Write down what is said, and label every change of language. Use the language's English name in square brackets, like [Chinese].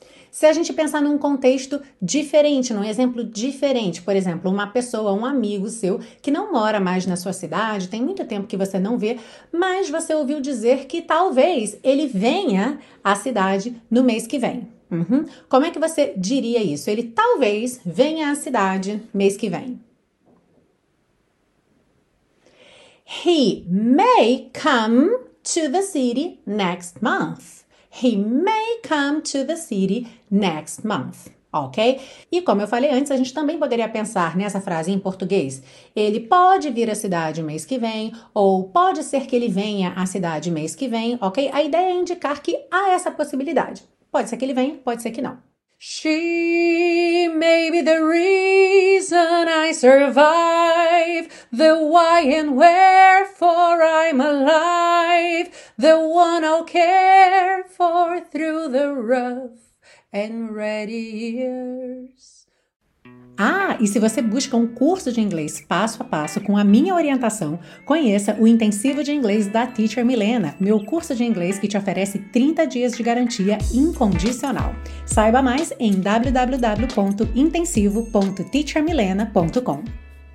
[Portuguese] Se a gente pensar num contexto diferente, num exemplo diferente, por exemplo, uma pessoa, um amigo seu que não mora mais na sua cidade, tem muito tempo que você não vê, mas você ouviu dizer que talvez ele venha à cidade no mês que vem. Uhum. Como é que você diria isso? Ele talvez venha à cidade mês que vem. [English] He may come to the city next month. He may come to the city next month. Ok? [Portuguese] E como eu falei antes, a gente também poderia pensar nessa frase em português. Ele pode vir à cidade mês que vem, ou pode ser que ele venha à cidade mês que vem, ok? A ideia é indicar que há essa possibilidade. Pode ser que ele venha, pode ser que não. [English] She may be the reason I survive, the why and wherefore I'm alive, the one I'll care for through the rough and ready years. [Portuguese] Ah, e se você busca um curso de inglês passo a passo com a minha orientação, conheça o Intensivo de Inglês da Teacher Milena, meu curso de inglês que te oferece 30 dias de garantia incondicional. Saiba mais em www.intensivo.teachermilena.com.